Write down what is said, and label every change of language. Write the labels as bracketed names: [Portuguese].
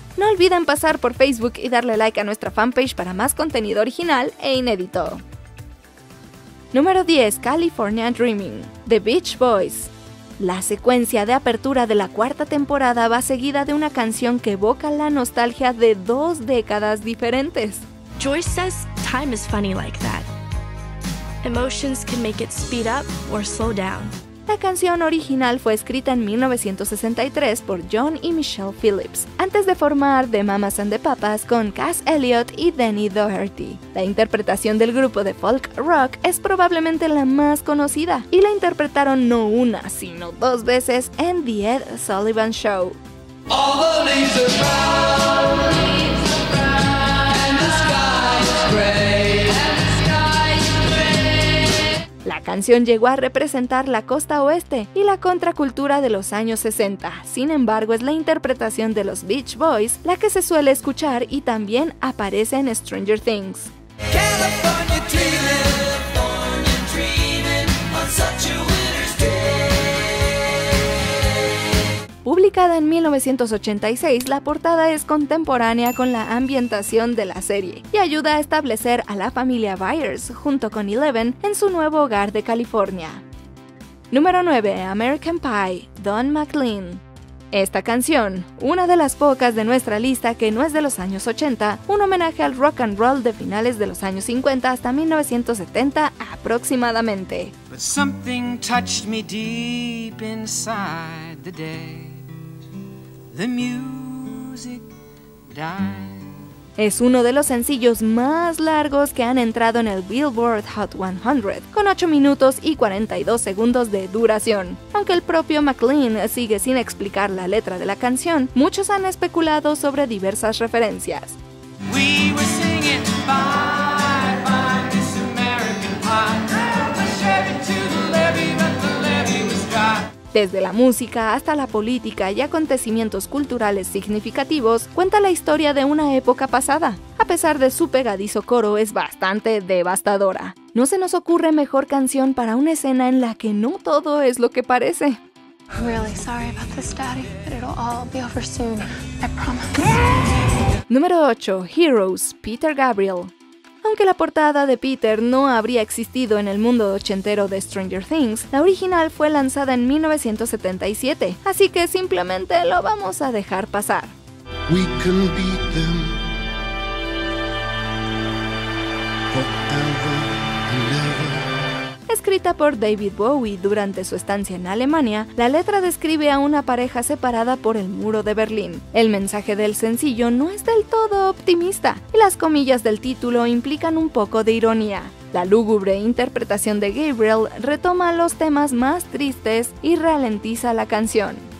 [Spanish] No olviden pasar por Facebook y darle like a nuestra fanpage para más contenido original e inédito. Número 10, California Dreaming, The Beach Boys. La secuencia de apertura de la cuarta temporada va seguida de una canción que evoca la nostalgia de dos décadas diferentes. [English] Joyce says time is funny like that. Emotions can make it speed up or slow down. [Spanish] La canción original fue escrita en 1963 por John y Michelle Phillips, antes de formar The Mamas and the Papas con Cass Elliot y Denny Doherty. La interpretación del grupo de folk rock es probablemente la más conocida, y la interpretaron no una, sino dos veces en The Ed Sullivan Show. [English] All the leaves are brown. [Spanish] La canción llegó a representar la costa oeste y la contracultura de los años 60, sin embargo es la interpretación de los Beach Boys la que se suele escuchar y también aparece en Stranger Things. Publicada en 1986, la portada es contemporánea con la ambientación de la serie y ayuda a establecer a la familia Byers junto con Eleven en su nuevo hogar de California. Número 9, American Pie, Don McLean. Esta canción, una de las pocas de nuestra lista que no es de los años 80, un homenaje al rock and roll de finales de los años 50 hasta 1970 aproximadamente. [English] But something touched me deep inside the day. The music died. [Spanish] Es uno de los sencillos más largos que han entrado en el Billboard Hot 100, con 8 minutos y 42 segundos de duración. Aunque el propio McLean sigue sin explicar la letra de la canción, muchos han especulado sobre diversas referencias. [English] We were singing bye, bye, this American pie. [Spanish] Desde la música hasta la política y acontecimientos culturales significativos, cuenta la historia de una época pasada. A pesar de su pegadizo coro, es bastante devastadora. No se nos ocurre mejor canción para una escena en la que no todo es lo que parece. [English] Really sorry about this, Daddy, but it'll all be over soon. I promise. [Spanish] Número 8. Heroes, Peter Gabriel. Aunque la portada de Peter no habría existido en el mundo ochentero de Stranger Things, la original fue lanzada en 1977, así que simplemente lo vamos a dejar pasar. [English] We can beat them forever and ever. [Spanish] Escrita por David Bowie durante su estancia en Alemania, la letra describe a una pareja separada por el muro de Berlín. El mensaje del sencillo no es del todo optimista, y las comillas del título implican un poco de ironía. La lúgubre interpretación de Gabriel retoma los temas más tristes y ralentiza la canción.